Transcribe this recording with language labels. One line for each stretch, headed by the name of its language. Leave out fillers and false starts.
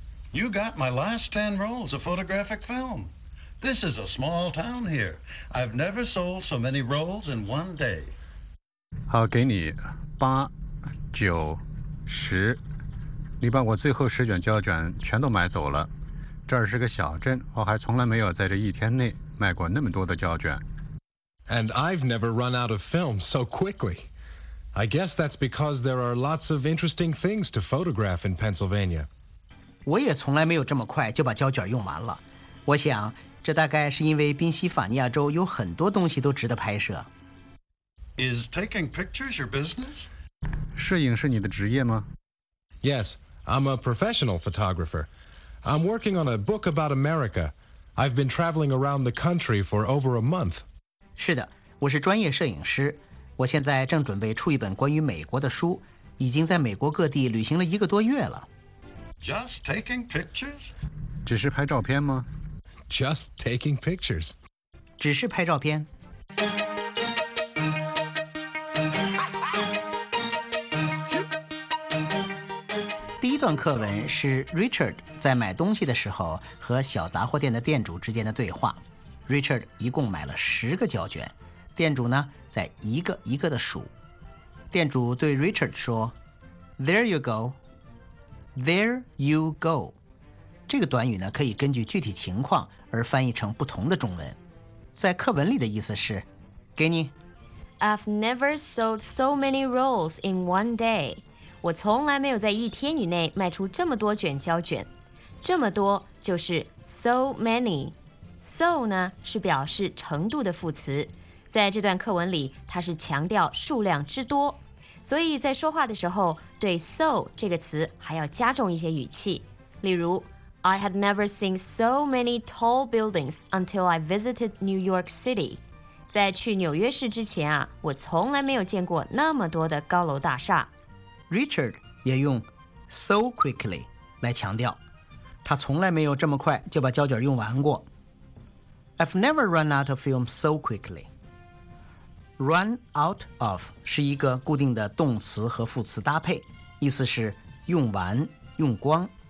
English: You got my last 10 rolls of photographic film. This is a small town here. I've never sold so many rolls in one day.
Chinese: 好，给你八、九、十。你把我最后十卷胶卷全都买走了。这儿是个小镇，我还从来没有在这一天内卖过那么多的胶卷。
English: And I've never run out of film so quickly. I guess that's because there are lots of interesting things to photograph in Pennsylvania.
Chinese: 我也从来没有这么快就把胶卷用完了。我想这大概是因为宾夕法尼亚州有很多东西都值得拍摄。
English: Is taking pictures your business?
Chinese: 摄影是你的职业吗？
English: Yes, I'm a professional photographer. I'm working on a book about America. I've been traveling around the country for over a month.
Chinese: 是的，我是专业摄影师，我现在正准备出一本关于美国的书，已经在美国各地旅行了一个多月了。
English: Just taking pictures?
Chinese: 只是拍照片吗？
English: Just taking pictures.
Chinese: 只是拍照片。第一段课文是 Richard 在买东西的时候和小杂货店的店主之间的对话。 Richard 一共买了十个胶卷，店主呢在一个一个的数。店主对 Richard 说 ：
English: “There you go, there you go。”
Chinese: 这个短语呢可以根据具体情况而翻译成不同的中文。在课文里的意思是：“给你。
English: ”I've never sold so many rolls in one day。
Chinese: 我从来没有在一天以内卖出这么多卷胶卷。这么多就是 so many。So 呢是表示程度的副词，在这段课文里它是强调数量之多，所以在说话的时候对 so 这个词还要加重一些语气。例如
English: I had never seen so many tall buildings until I visited New York City.
Chinese: 在去纽约市之前啊，我从来没有见过那么多的高楼大厦。 Richard 也用
English: so quickly
Chinese: 来强调他从来没有这么快就把胶卷用完过。
English: I've never run out of film so quickly. Run out of
Chinese: 是一个固定的动词和副词搭配，意思是用完、用光。